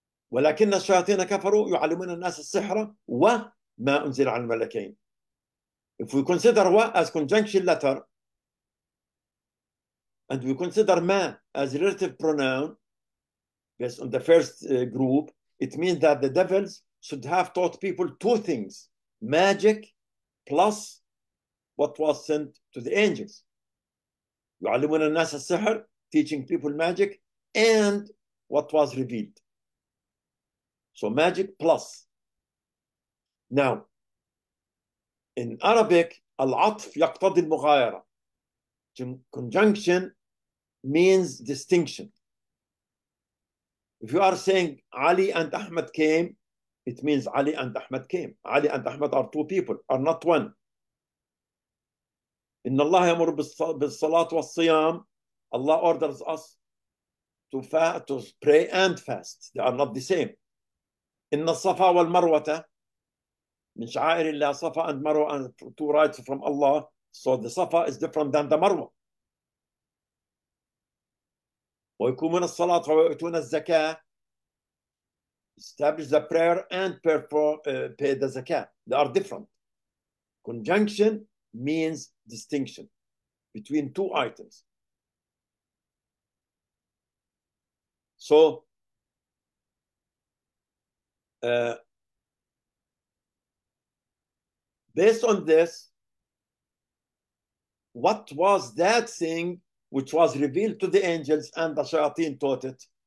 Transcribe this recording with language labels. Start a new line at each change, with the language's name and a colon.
Arabic: ولكن الشياطين كفروا يعلمون الناس السحر وما أنزل على الملكين.
English: If we consider wa as conjunction letter and we consider ma as relative pronoun based on the first group, it means that the devils should have taught people two things, magic plus what was sent to the angels. يعلمون الناس السحر, teaching people magic, and what was revealed. So magic plus. Now, in Arabic, العطف يقتضي المغايرة. Conjunction means distinction. If you are saying Ali and Ahmed came, it means Ali and Ahmed came. Ali and Ahmed are two people, are not one.
Arabic: إن الله يأمر بالصلاة والصيام.
English: Allah orders us to fast, to pray and fast. They are not the same.
Arabic: إن الصفا والمروة من شعائر الله.
English: Safa and Marwa are two rites from Allah. So the Safa is different than the Marwa.
Arabic: ويقومون الصلاة ويؤتون الزكاة.
English: Establish the prayer and perform, pay the zakah. They are different. Conjunction means distinction between two items. So, based on this, what was that thing which was revealed to the angels and the shayateen taught it?